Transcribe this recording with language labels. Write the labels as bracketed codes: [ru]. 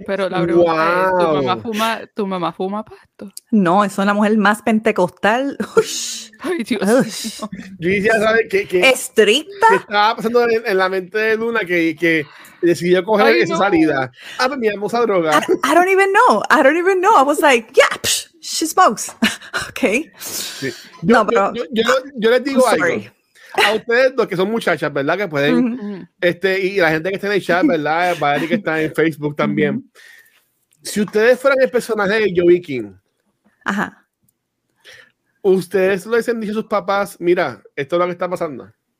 [es] Pero la pregunta es, ¿tu mamá fuma pasto? No, es una mujer más pentecostal. Ay, Dios. Yo decía, ¿sabes qué? Estricta. Que estaba pasando en la mente de Luna que decidió coger esa salida. Ah, pero mi hermosa droga. [en] I don't even know. I was like, yeah, psh, she smokes. Okay. [es] Sí. Yo les digo algo. A ustedes dos que son muchachas, ¿verdad? Que pueden, y la gente que está en el chat, ¿verdad? Para que está en Facebook también. Mm-hmm. Si ustedes fueran el personaje de Joey King. Ajá. ¿Ustedes lo dicen a sus papás? Mira, esto es lo que está pasando.